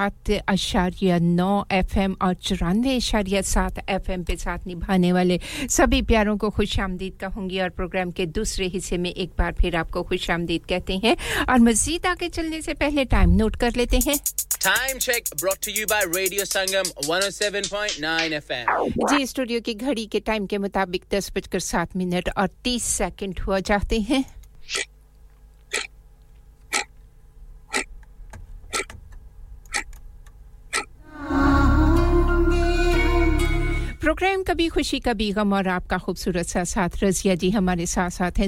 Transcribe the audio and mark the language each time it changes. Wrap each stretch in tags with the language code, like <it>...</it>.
<hi>107.9 FM और 94.7 FM पे साथ निभाने वाले सभी प्यारों को खुश आमदीद कहूँगी, और प्रोग्राम के दूसरे हिस्से में एक बार फिर आपको खुश आमदीद कहते हैं. और मज़ीद आगे चलने से पहले टाइम नोट कर लेते हैं.</hi> <en>Time check brought to you by Radio Sangam 107.9 FM.</en> <hi>Ji studio की घड़ी के टाइम के मुताबिक 10:07:30 हुआ जाते हैं. प्रोग्राम कभी खुशी कभी गम और आपका खूबसूरत सा साथ. रजिया जी हमारे साथ साथ हैं.</hi>